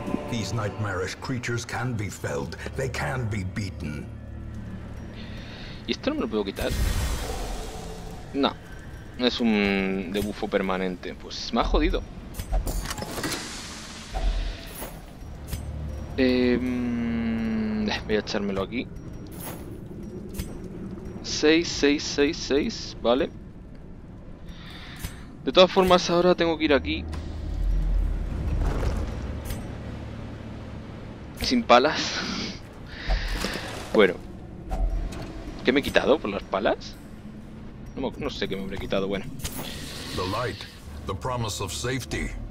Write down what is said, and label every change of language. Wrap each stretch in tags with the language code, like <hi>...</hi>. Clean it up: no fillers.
<en>These nightmarish creatures can be felled, they can be beaten.</en> <es>¿Y esto no me lo puedo quitar? No, es un debuffo permanente. Pues me ha jodido. Voy a echármelo aquí. 6, 6, 6, 6, vale. De todas formas, ahora tengo que ir aquí. sin palas. Bueno, ¿qué me he quitado por las palas? No sé qué me habré quitado, bueno.</es> <en>The light, the promise of safety.</en>